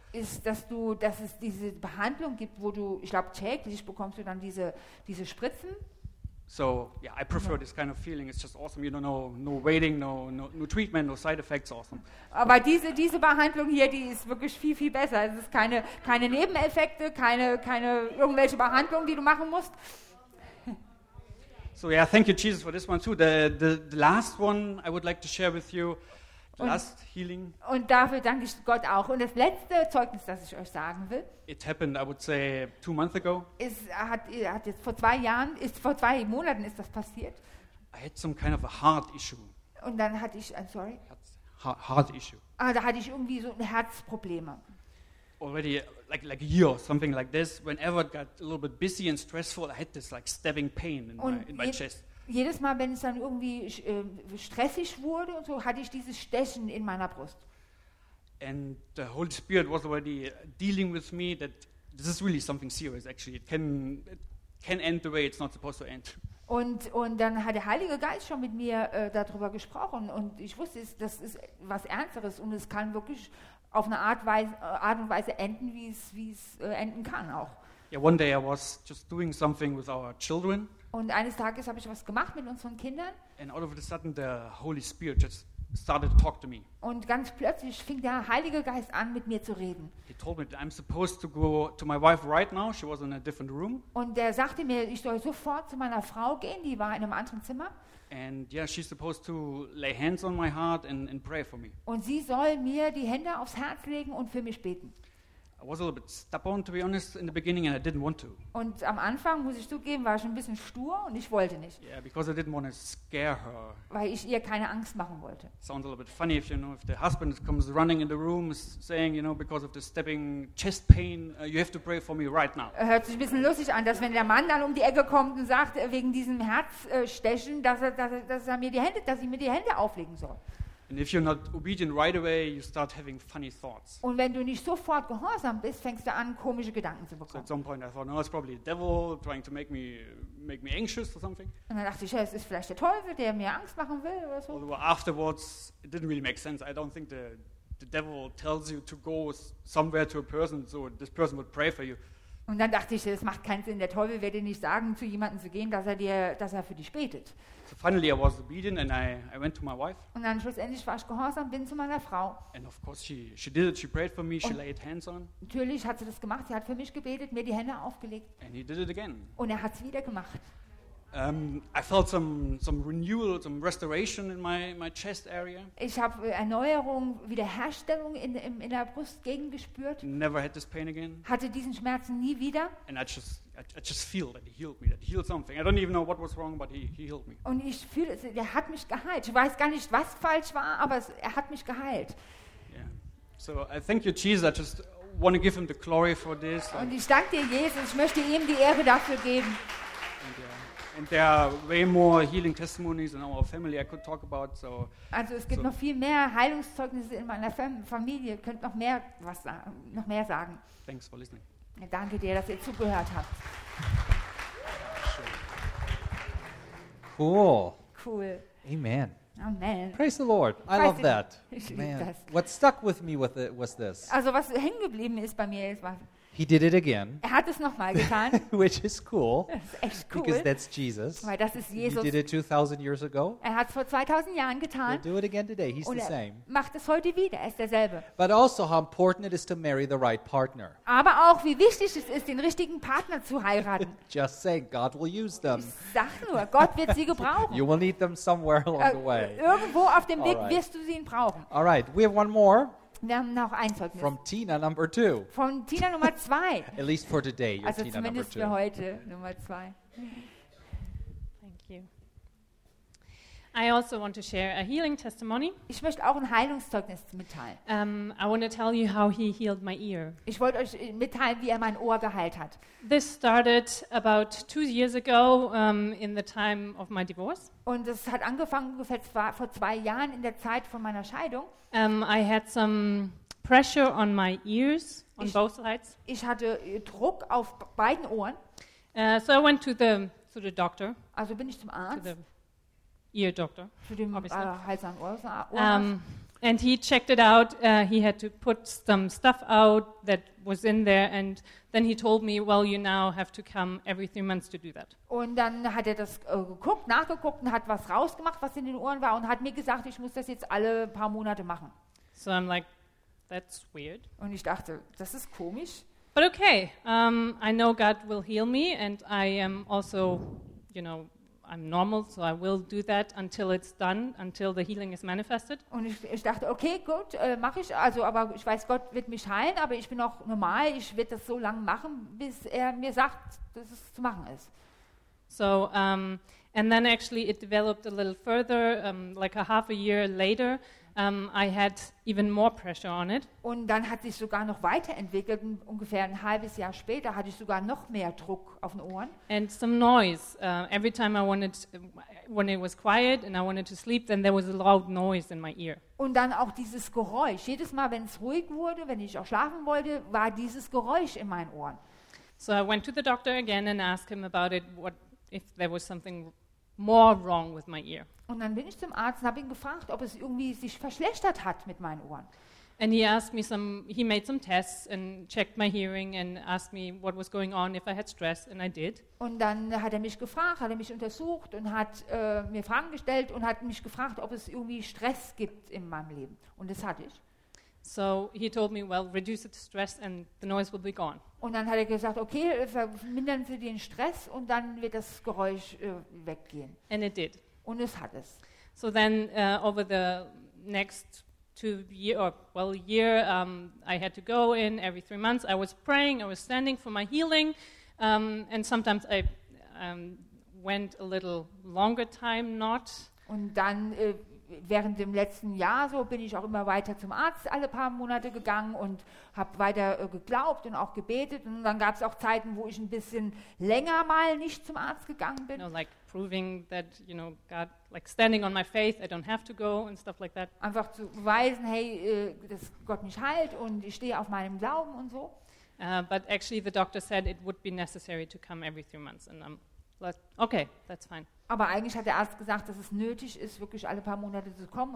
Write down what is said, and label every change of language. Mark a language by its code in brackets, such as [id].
[de] Ist, dass es diese Behandlung gibt, wo du, ich glaube, täglich bekommst du dann diese Spritzen. [en] So yeah, I prefer this kind of feeling. It's just awesome. You don't know, no waiting, no treatment, no side effects. Awesome. [de] Aber diese Behandlung hier, die ist wirklich viel viel besser. Es ist keine Nebeneffekte, keine irgendwelche Behandlung, die du machen musst. [en] So yeah, thank you Jesus for this one too. The last one I would like to share with you, the last healing. [de] Und dafür danke ich Gott auch. Und das letzte Zeugnis, das ich euch sagen will. [en] It happened, I would say, 2 months ago. [de] Es hat jetzt vor zwei Monaten ist das passiert. [en] I had some kind of a heart issue. [de] Und dann hatte ich, sorry. [en] Heart issue. [de] Ah, da hatte ich irgendwie so Herzprobleme. [en] already like a year or something like this, whenever it got a little bit busy and stressful, I had this like stabbing pain in my chest. [de] Jedes Mal, wenn es dann irgendwie stressig wurde und so, hatte ich dieses Stechen in meiner Brust. [en] And the Holy Spirit was already dealing with me that this is really something serious actually. It can end the way it's not supposed to end. [de] Und dann hat der Heilige Geist schon mit mir darüber gesprochen und ich wusste, das ist was Ernsteres und es kann wirklich auf eine Art und Weise enden, wie es enden kann auch. [en] Yeah, one day I was just doing something with our children. [de] Und eines Tages habe ich was gemacht mit unseren Kindern. [en] And all of a sudden the Holy Spirit just started to talk to me. [de] Und ganz plötzlich fing der Heilige Geist an, mit mir zu reden. [en] He told me that I'm supposed to go to my wife right now. She was in a different room. [de] Und er sagte mir, ich soll sofort zu meiner Frau gehen. Die war in einem anderen Zimmer. [en] And yeah, she's supposed to lay hands on my heart and pray for me. [de] Und sie soll mir die Hände aufs Herz legen und für mich beten. [en] I was a little bit stubborn, to be honest, in the beginning, and I didn't want to. [de] Und am Anfang, muss ich zugeben, war ich ein bisschen stur und ich wollte nicht. [en] Yeah, because I didn't want to scare her. [de] Weil ich ihr keine Angst machen wollte. [en] Sounds a little bit funny if you know if the husband comes running in the room saying, you know, because of the stabbing chest pain, you have to pray for me right now. [de] Hört sich ein bisschen lustig an, dass wenn der Mann dann um die Ecke kommt und sagt wegen diesem Herzstechen, dass er mir die Hände auflegen soll. [en] And if you're not obedient right away, you start having funny thoughts. [de] Und wenn du nicht sofort gehorsam bist, fängst du an, komische Gedanken zu bekommen. [en] So at some point I thought, no, it's probably the devil trying to make me anxious or something. [de] Und dann dachte ich, ja, es ist vielleicht der Teufel, der mir Angst machen will oder so. [en] Although afterwards, it didn't really make sense. I don't think the devil tells you to go somewhere to a person, so this person would pray for you. [de] Und dann dachte ich, es macht keinen Sinn, der Teufel wird dir nicht sagen, zu jemandem zu gehen, dass er für dich betet. [en] So finally I was obedient and I went to my wife. [de] Und dann schlussendlich war ich gehorsam, bin zu meiner Frau. [en] And of course she did it, she prayed for me, she laid hands on. [de] Natürlich hat sie das gemacht, sie hat für mich gebetet, mir die Hände aufgelegt. [en] And he did it again. [de] Und er hat es wieder gemacht. [en] I felt some renewal, some restoration in my chest area. [de] Ich habe Erneuerung, Wiederherstellung in der Brustgegend gespürt. [en] Never had this pain again. [de] Hatte diesen Schmerzen nie wieder. [en] And I just feel that he healed me, that he healed something. I don't even know what was wrong, but he healed me. [de] Und ich fühle, er hat mich geheilt. Ich weiß gar nicht, was falsch war, aber er hat mich geheilt. [en] Yeah. So I thank you, Jesus. I just want to give him the glory for this. [de] Und ich danke dir, Jesus. Ich möchte ihm die Ehre dafür geben. [en] And there are way more healing testimonies in our family I could talk about. So, [de] also es gibt so noch viel mehr Heilungszeugnisse in meiner Familie. Könnt noch mehr was noch mehr sagen. [en] Thanks for listening. [de] Ja, danke dir, dass ihr zugehört habt. [en] Cool. Cool. Amen. Amen. Praise the Lord. I love that. [de] Ich liebe das. [en] What stuck with me with it was this. [de] Also was hängen geblieben ist bei mir, war [en] he did it again. [de] Er hat es nochmal getan. [en] Which is cool. [de] Das ist echt cool. [en] Because that's Jesus. [de] Weil das ist Jesus. [en] He did it 2,000 years ago. [de] Er hat es vor 2,000 Jahren getan. [en] He'll do it again today. He's the same. [de] Macht es heute wieder. Er ist derselbe. [en] But also how important it is to marry the right partner. [de] Aber auch wie wichtig es ist, den richtigen Partner zu heiraten. [en] Just saying, God will use them. [de] Sag nur, Gott wird sie gebrauchen. [en] You will need them somewhere along the way. [de] Irgendwo auf dem Weg wirst du sie ihn brauchen. [en] All right, we have one more. [de] Wir haben noch ein Zeugnis. [en] From Tina number two. [de] Von Tina Nummer zwei. [en] At least for today, you're [de] also [en] Tina number two. [de] Also zumindest für heute, Nummer zwei. [en] Thank you. I also want to share a healing testimony. [de] Ich möchte auch ein Heilungszeugnis mitteilen. [en] I want to tell you how he healed my ear. [de] Ich wollte euch mitteilen, wie er mein Ohr geheilt hat. [en] This started about 2 years ago in the time of my divorce. [de] Und es hat angefangen ungefähr vor 2 Jahren in der Zeit von meiner Scheidung. [en] I had some pressure on my ears on both sides. [de] Ich hatte Druck auf beiden Ohren. [en] So I went to the doctor. [de] Also bin ich zum Arzt. [en] Ear doctor. [de] Für den [en] And he checked it out. He had to put some stuff out that was in there, and then he told me, "Well, you now have to come every 3 months to do that." [de] Und dann hat er das geguckt, nachgeguckt und hat was rausgemacht, was in den Ohren war, und hat mir gesagt, ich muss das jetzt alle paar Monate machen. [en] So I'm like, "That's weird." [de] Und ich dachte, das ist komisch. [en] But okay, I know God will heal me, and I am also, you know, I'm normal, so I will do that until it's done, until the healing is manifested. [de] Und ich dachte, okay, gut, mache ich. Also, aber ich weiß, Gott wird mich heilen, aber ich bin auch normal. Ich werde das so lange machen, bis er mir sagt, dass es zu machen ist. [en] So, and then actually it developed a little further, like a half a year later. I had even more pressure on it. [de] Und dann hat sich sogar noch weiterentwickelt. Und ungefähr ein halbes Jahr später hatte ich sogar noch mehr Druck auf den Ohren. [en] And some noise. Every time I wanted, when it was quiet and I wanted to sleep, then there was a loud noise in my ear. [de] Und dann auch dieses Geräusch. Jedes Mal, wenn es ruhig wurde, wenn ich auch schlafen wollte, war dieses Geräusch in meinen Ohren. [en] So I went to the doctor again and asked him about it, what if there was something more wrong with my ear. [de] Und dann bin ich zum Arzt und habe ihn gefragt, ob es irgendwie sich verschlechtert hat mit meinen Ohren. [en] And he asked me some, he made some tests and checked my hearing and asked me what was going on, if I had stress, and I did. [de] Und dann hat er mich gefragt, hat er mich untersucht und hat mir Fragen gestellt und hat mich gefragt, ob es irgendwie Stress gibt in meinem Leben. Und das hatte ich. [en] So he told me, well, reduce the stress and the noise will be gone. [de] Und dann hat er gesagt, okay, vermindern Sie den Stress und dann wird das Geräusch weggehen. [en] And it did. [de] Und es hat es. [en] So then over the next 2 years, or well, year, I had to go in every 3 months. I was praying, I was standing for my healing. And sometimes I went a little longer time not. [de] Und dann während dem letzten Jahr so bin ich auch immer weiter zum Arzt alle paar Monate gegangen und habe weiter geglaubt und auch gebetet. Und dann gab es auch Zeiten, wo ich ein bisschen länger mal nicht zum Arzt gegangen bin. [en] No, like proving that, you know, God, like standing on my faith, I don't have to go and stuff like that. [de] Einfach zu beweisen, hey, dass Gott mich heilt und ich stehe auf meinem Glauben und so. [en] But actually the doctor said it would be necessary to come every 3 months and I'm like, okay, that's fine. [de] Aber eigentlich hat der Arzt gesagt, dass es nötig ist, wirklich alle paar Monate zu kommen.